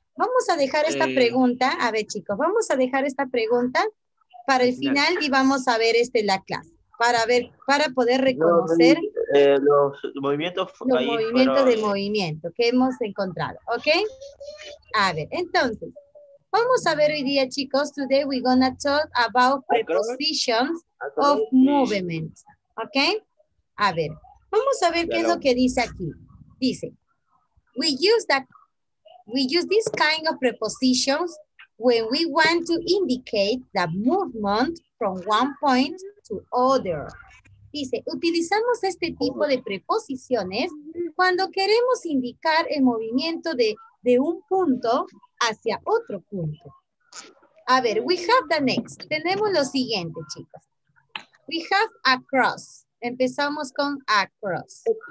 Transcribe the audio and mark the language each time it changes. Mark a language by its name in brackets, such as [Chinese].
[Spanish] Vamos a dejar esta pregunta, a ver chicos, vamos a dejar esta pregunta para el final y vamos a ver la clase, para poder reconocer los movimientos de movimiento que hemos encontrado, ¿ok? A ver, entonces, vamos a ver hoy día, chicos. [English] Today we're going to talk about prepositions of movement. [Spanish] ¿Ok? A ver. Vamos a ver qué es lo que dice aquí. Dice, [English] we use this kind of prepositions when we want to indicate the movement from one point to other. [Spanish] Dice, utilizamos este tipo de preposiciones cuando queremos indicar el movimiento de un punto hacia otro punto. A ver, [English] we have the next. [Spanish] Tenemos lo siguiente, chicos. [English] We have across. [Spanish] Empezamos con across.